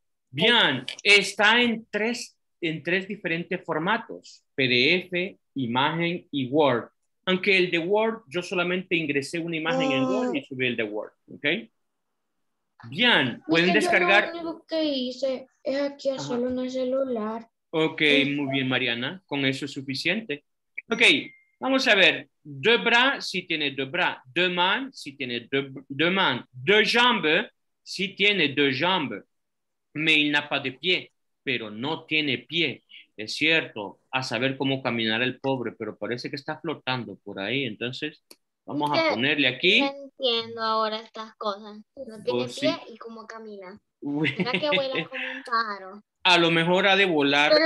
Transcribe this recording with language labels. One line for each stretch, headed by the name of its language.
Spanish: Bien, está en tres diferentes formatos, PDF, imagen y Word. Aunque el de Word, yo solamente ingresé una imagen en Word y subí el de Word, ¿ok? Bien, pueden
English: mister,
Spanish: descargar... Lo único que hice es aquí hacerlo en el celular. Ok, muy bien, Mariana, con eso es suficiente. Ok, vamos a ver,
French: deux bras,
Spanish: si tiene
French: deux bras, deux mains, si tiene deux mains, deux jambes, si tiene deux jambes, mais il n'a pas de pied.
Spanish: Pero no tiene pie, es cierto, a saber cómo caminar el pobre, pero parece que está flotando por ahí, entonces vamos a ponerle aquí. No entiendo ahora estas cosas, no tiene pie y cómo camina, será que vuela como un pájaro. A lo mejor ha de volar